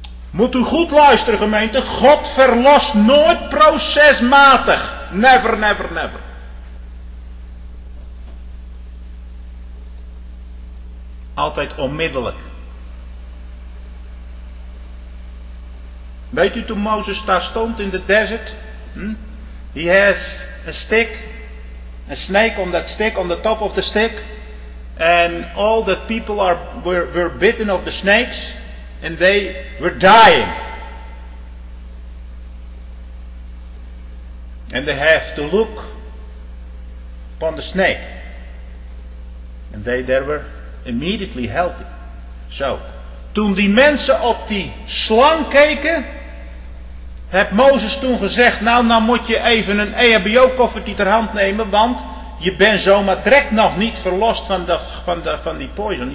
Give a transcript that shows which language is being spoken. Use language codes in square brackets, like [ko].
[nl] Moet u goed luisteren, gemeente, God verlost nooit procesmatig. Never, never, never. Altijd onmiddellijk. Weet u toen Mozes daar stond in de desert? [en] He has a stick, a snake on that stick, on the top of the stick. And all the people were bitten of the snakes. And they were dying. And they have to look upon the snake. And they were immediately healthy. [nl] Zo. Toen die mensen op die slang keken, heb Mozes toen gezegd, nou moet je even een EHBO-koffertje ter hand nemen, want je bent zomaar direct nog niet verlost van die poison.